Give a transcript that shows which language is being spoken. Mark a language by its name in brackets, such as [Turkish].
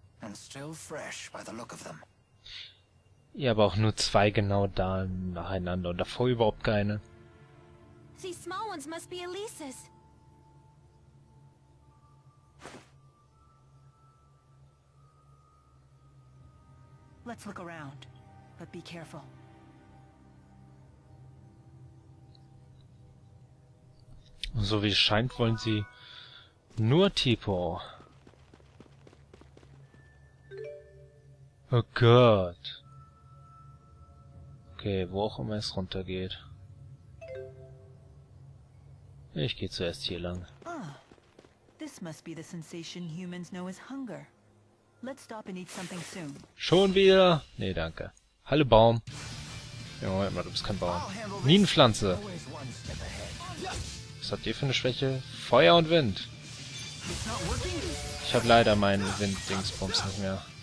[English] And still fresh by the look of them. [German] Ja, aber auch nur zwei genau da nacheinander und davor überhaupt keine. [English] These small ones must be Elise's. Let's look around, but be careful. [German] So wie es scheint, wollen sie nur Tipo. Oh Gott. Okay, wo auch immer es runtergeht. Ich gehe zuerst hier lang. [English] Ah, this must be the sensation humans know as hunger. Let's stop and eat something soon. [German] Schon wieder? Nee, danke. Hallo Baum. Junge, ja, du bist kein Baum. Minenpflanze. Was habt ihr für eine Schwäche? Feuer und Wind. Ich hab leider meinen Wind-Dingsbums nicht mehr.